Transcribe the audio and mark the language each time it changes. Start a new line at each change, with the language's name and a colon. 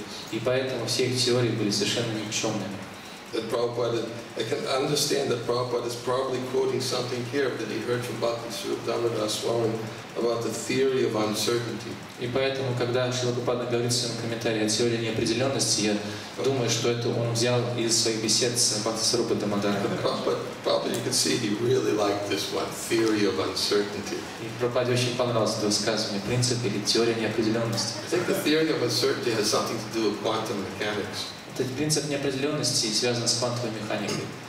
Russian: И поэтому все их теории были совершенно никчемными.
English: That Prabhupada, I can understand that Prabhupada is probably quoting something here that he heard from Bhakti Swarup Damodara Swami about the theory of uncertainty.
Russian: И поэтому, когда Шрила Прабхупада говорит в своем комментарии о теории неопределенности, я думаю, что это он взял из своих бесед с Бхакти Сарупа Дамодара.
English: Prabhupada, you can see, he really liked this one, theory of uncertainty.
Russian: И Прабхупаде очень понравилось это высказывание, принцип или теория неопределенности.
English: I think the theory of uncertainty has something to do with quantum mechanics.
Russian: Этот принцип неопределенности связан с квантовой механикой.